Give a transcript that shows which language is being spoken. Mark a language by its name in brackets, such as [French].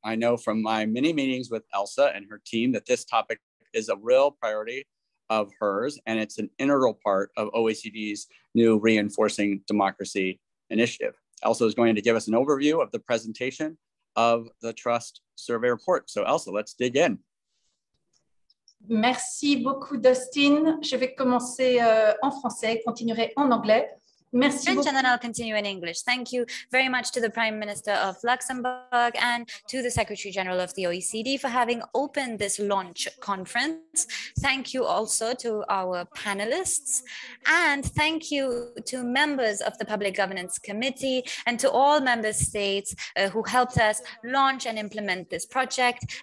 [English] I know from my many meetings with Elsa and her team that this topic is a real priority of hers, and it's an integral part of OECD's new Reinforcing Democracy initiative. Elsa is going to give us an overview of the presentation of the Trust Survey Report. So Elsa, let's dig in. [French] Merci beaucoup, Dustin. Je vais commencer en français, continuerai en anglais. Merci [English] French, and then I'll continue in English. Thank you very much to the Prime Minister of Luxembourg and to the Secretary General of the OECD for having opened this launch conference. Thank you also to our panelists, and thank you to members of the Public Governance Committee and to all member states who helped us launch and implement this project.